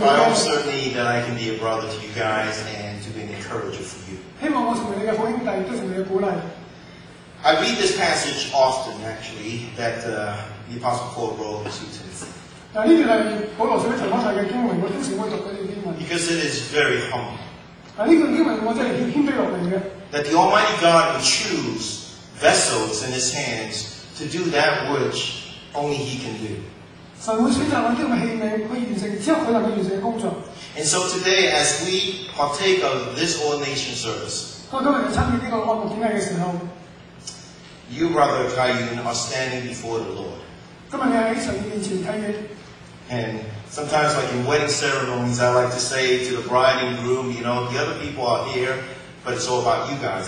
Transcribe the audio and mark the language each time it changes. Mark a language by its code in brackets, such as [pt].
[en] I hope certainly that I can be a brother to you guys and to be an encourager for you. [yue] 希望我成為你嘅好兄弟，都成為你嘅鼓勵。 [en] I read this passage often, actually, that the Apostle Paul wrote to Timothy. [yue] 但呢段係保羅寫俾提摩太嘅經文，我都成日會讀嗰段經文。 [en] Because it is very humble. [yue] 但呢段經文我真係謙卑落嚟嘅。 [en] That the Almighty God would choose vessels in His hands to do that which only He can do. [yue] 神會選擇揾啲咁嘅器皿，可以完成只有佢能夠完成嘅工作。 [en] And so today, as we partake of this ordination service, [yue] 當今日參與呢個按摩典禮嘅時候。 [en] You, Brother Kaiyun, are standing before the Lord. And sometimes, like in wedding ceremonies, I like to say to the bride and groom, you know, the other people are here, but it's all about you guys.